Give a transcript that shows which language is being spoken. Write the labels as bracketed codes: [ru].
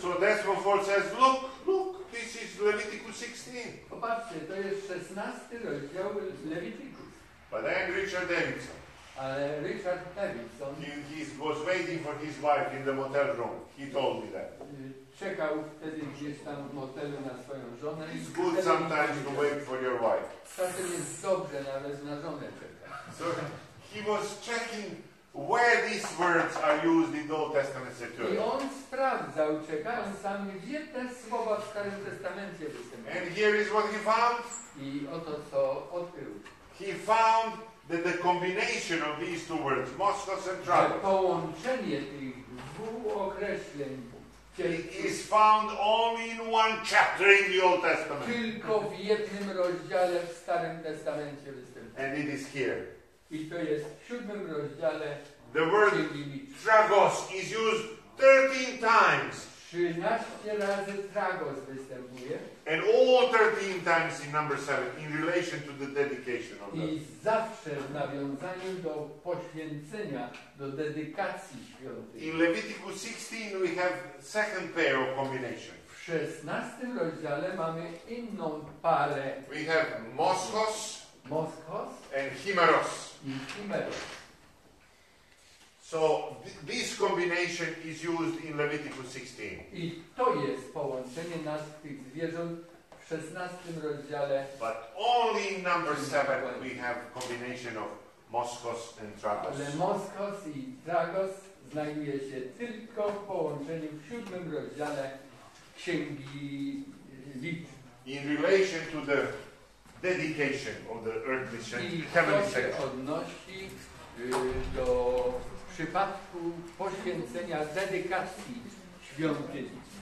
[en] So that's what Paul says, look, this is Leviticus 16. [pl] Popatrzcie, to jest 16 rozdział Leviticus. [en] But then Richard Davidson. [pl] Ale Richard Davidson. [en] He was waiting for his wife in the motel room. He told me that. [pl] Czekał wtedy gdzieś tam w motelu na swoją żonę. [en] It's good sometimes to wait for your wife. [pl] Czasem jest dobrze nawet na żonę czekać. [en] So he was checking where these words are used in the Old Testament Septuagint. [pl] I on sprawdzał, czekając sam, gdzie te słowa w Starym Testamencie występują. [en] And here is what he found. [pl] I oto co odkrył. [en] He found that the combination of these two words, moschos and tragos, [pl] połączenie tych dwóch określeń, [en] is found only in one chapter in the Old Testament. [pl] Tylko w jednym rozdziale w Starym Testamencie występuje. [en] And it is here. [pl] I to jest w 7 rozdziale. [en] The word tragos is used 13 times. [pl] 13 razy tragos występuje. [en] And all 13 times in number 7 in relation to the dedication of the. [pl] I zawsze w nawiązaniu do poświęcenia, do dedykacji świątyni. [en] In Leviticus 16 we have second pair of combination. [pl] W 16 rozdziale mamy inną parę. [en] We have moschos. [pl] Moschos. [en] And himeros. [pl] I himeros. [en] So this combination is used in Leviticus 16. [pl] I to jest połączenie nas tych zwierząt w 16 rozdziale. [en] But only in number 7 we have combination of Moskos and Tragos. [pl] Ale Moskos i Tragos znajduje się tylko w połączeniu w 7 rozdziale Księgi Lit. [en] In relation to the dedication of the earth mission, [pl] i [en] heavenly [pl] to się odnosi do przypadku poświęcenia dedykacji świątyni.